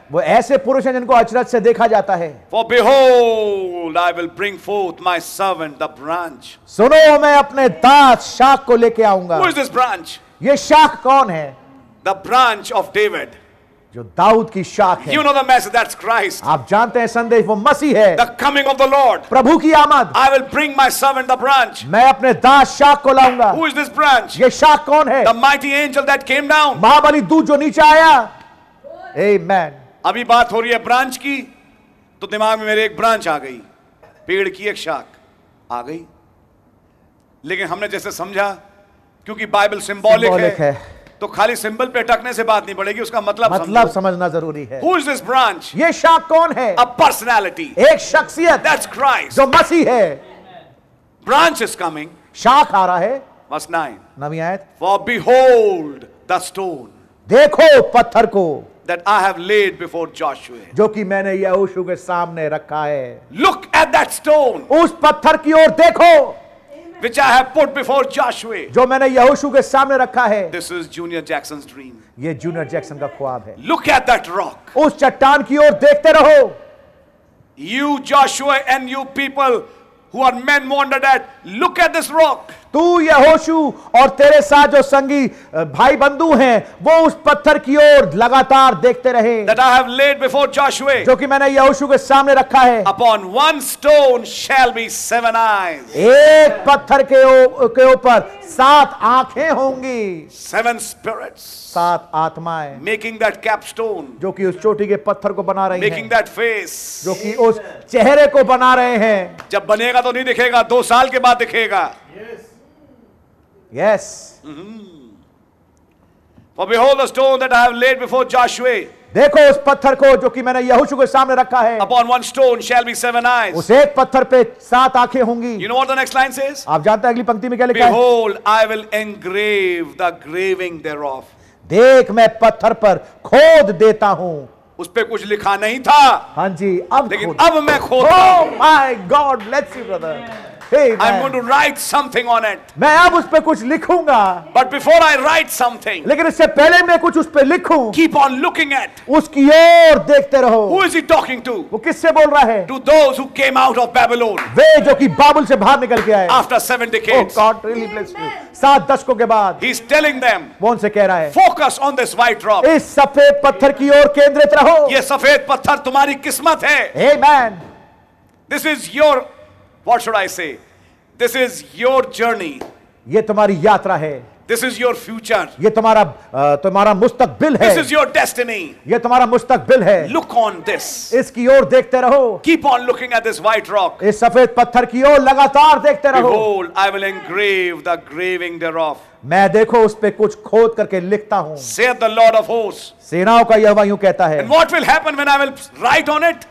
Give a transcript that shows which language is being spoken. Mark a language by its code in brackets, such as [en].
[hi] वो ऐसे पुरुष हैं जिनको अचरज से देखा जाता है. [en] For behold, I will bring forth my servant, the branch. [hi] सुनो मैं अपने दास शाख को लेके आऊंगा. [en] Who is this branch? [hi] ये शाख कौन है? [en] The branch of David. [hi] जो दाऊद की शाख है. [en] You know the message, that's Christ. [hi] आप जानते हैं संदेश वो मसीह है. [en] The coming of the Lord. [hi] प्रभु की आमद. [en] I will bring my servant, the branch. [hi] मैं अपने दास शाख को लाऊंगा. [en] Who is this branch? [hi] ये शाख कौन है? [en] The mighty angel that came down. [hi] महाबली दूत जो नीचे आया. Amen. अभी बात हो रही है ब्रांच की तो दिमाग में मेरे एक ब्रांच आ गई पेड़ की एक शाख आ गई लेकिन हमने जैसे समझा क्योंकि बाइबल सिंबॉलिक है तो खाली सिंबल पे टकने से बात नहीं पड़ेगी उसका मतलब समझना जरूरी है [en] Who is this branch? [hi] ये शाख कौन है [en] A personality. [hi] एक शख्सियत [en] That's Christ. [hi] जो मसीह है [en] branch is coming [hi] शाख आ रहा है [en] Verse 9. [hi] नवी आयत [en] For behold the stone. [hi] देखो पत्थर को [en] That I have laid before Joshua. [hi] जो कि मैंने यहोशू के सामने रखा है. [en] Look at that stone. [hi] उस पत्थर की ओर देखो. [en] Which I have put before Joshua. [hi] जो मैंने यहोशू के सामने रखा है. [en] This is Junior Jackson's dream. [hi] ये जूनियर जैक्सन का ख्वाब है. [en] Look at that rock. [hi] उस चट्टान की ओर देखते रहो. [en] You Joshua and you people who are men wandered at, look at this rock. [hi] तू यहोशू और तेरे साथ जो संगी भाई बंधु हैं वो उस पत्थर की ओर लगातार देखते रहे [en] That I have laid before Joshua, [hi] जो कि मैंने यहोशू के सामने रखा है [en] Upon one stone shall be seven eyes. [hi] एक पत्थर के ऊपर सात आंखें होंगी [en] Seven spirits. [hi] सात आत्माएं [en] Making that capstone. [hi] जो कि उस चोटी के पत्थर को बना रही [en] Making that face. [hi] जो कि उस चेहरे को बना रहे हैं जब बनेगा तो नहीं दिखेगा दो साल के बाद दिखेगा [en] Yes. Mm-hmm. For behold the stone that I have laid before Joshua. [hi] देखो उस पत्थर को जो कि मैंने यहोशू के सामने रखा है. [en] Upon one stone shall be seven eyes. [hi] उस एक पत्थर पे सात आंखें होंगी. [en] You know what the next line says? [hi] आप जानते हैं अगली पंक्ति में क्या लिखा है? [en] Behold, I will engrave the graving thereof. [hi] देख मैं पत्थर पर खोद देता हूँ. उस पे कुछ लिखा नहीं था. हाँ जी. अब लेकिन अब मैं खोदता हूँ. [en] Oh my God, let's see, brother. Hey, I'm going to write something on it. [hi] मैं अब उस पे कुछ लिखूंगा. [en] But before I write something, [hi] लेकिन इससे पहले मैं कुछ उस पे लिखूं. [en] Keep on looking at. [hi] उसकी ओर देखते रहो. [en] Who is he talking to? [hi] वो किससे बोल रहा है? [en] To those who came out of Babylon. [hi] वे जो कि बाबुल से बाहर निकल के आए. [en] After seven decades. Oh God, really bless you. [hi] सात दशकों के बाद. [en] He's telling them. [hi] वो उनसे कह रहा है. [en] Focus on this white rock. [hi] इस सफेद पत्थर की ओर केंद्रित रहो. ये सफेद पत्थर तुम्हारी किस्मत है. [en] Amen. This is your What should I say? This is your journey. [hi] ये तुम्हारी यात्रा है. [en] This is your future. [hi] ये तुम्हारा तुम्हारा मुस्तकबिल है. [en] This is your destiny. [hi] ये तुम्हारा मुस्तकबिल है. [en] Look on this. [hi] इसकी ओर देखते रहो. [en] Keep on looking at this white rock. [hi] इस सफेद पत्थर की ओर लगातार देखते रहो. [en] Behold, I will engrave the graving thereof. [hi] मैं देखो उस पे कुछ खोद करके लिखता हूँ. [en] Saith the Lord of hosts. [hi] सेनाओं का यहोवा यूं कहता है. [en] And what will happen when I will write on it?